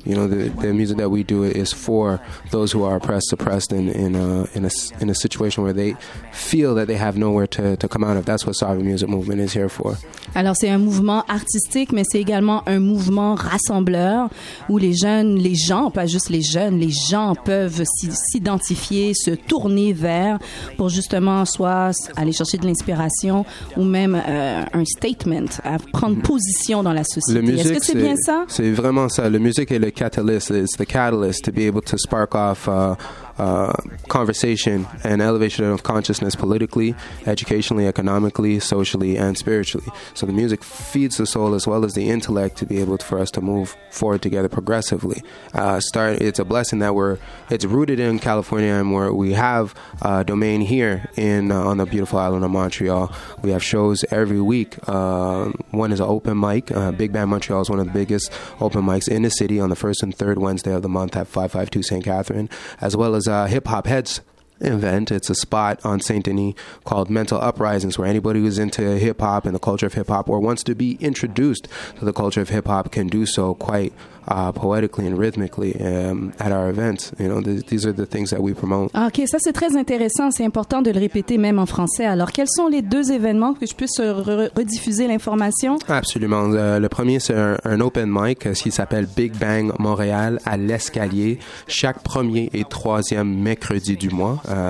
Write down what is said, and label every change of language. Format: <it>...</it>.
<en>You know, the music that we do is for those who are oppressed in a situation where they feel that they have nowhere to come out of. That's what Sovereign Music Movement is here for.</en> <fr>Alors, c'est un mouvement artistique, mais c'est également un mouvement rassembleur où les gens peuvent s'identifier, se tourner vers pour justement soit aller chercher de l'inspiration ou même un statement, à prendre position dans la société.</fr> <en>Music,</en> <fr>est-ce que c'est bien ça? C'est vraiment ça. Le musique est le catalyst.</fr> <en>It's the catalyst to be able to spark off conversation and elevation of consciousness politically, educationally, economically, socially, and spiritually. So the music feeds the soul as well as the intellect to be able for us to move forward together progressively. It's a blessing that it's rooted in California and where we have a domain here on the beautiful island of Montreal. We have shows every week. One is an open mic. Big Band Montreal is one of the biggest open mics in the city on the first and third Wednesday of the month at 552 St. Catherine, as well as Hip Hop Heads event. It's a spot on St. Denis called Mental Uprisings, where anybody who's into hip hop and the culture of hip hop or wants to be introduced to the culture of hip hop can do so quite</en> <fr>poétiquement et rythmiquement à nos événements.</fr> <en>You know, these are the things that we promote.</en> <fr>OK, ça c'est très intéressant. C'est important de le répéter même en français. Alors, quels sont les deux événements que je puisse rediffuser l'information? Absolument. Le premier, c'est un open mic qui s'appelle Big Bang Montréal à l'escalier, chaque premier et troisième mercredi du mois.</fr>